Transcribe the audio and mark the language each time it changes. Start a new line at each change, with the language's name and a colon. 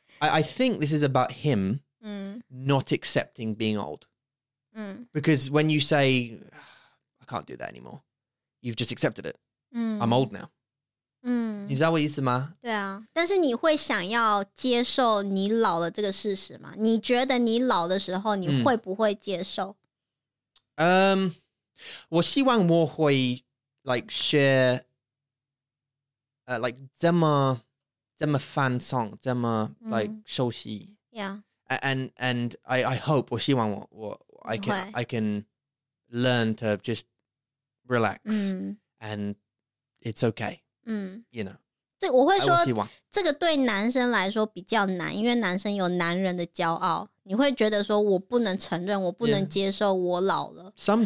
English: I think this is about him not accepting being old. Because when you say, I can't do that anymore, you've just accepted it. I'm old now.
Chinese: 你知道我意思吗? 对啊,但是你会想要接受你老了这个事实吗? 你觉得你老的时候,你会不会接受? 我希望我会, like, share, like, 这么放松, 这么, like, 熟悉。
English: Yeah. And I hope,
Chinese: 我希望我,
English: I can learn to just relax, and it's okay. You know,
Chinese: 这我会说，这个对男生来说比较难，因为男生有男人的骄傲。你会觉得说，我不能承认，我不能接受我老了。Some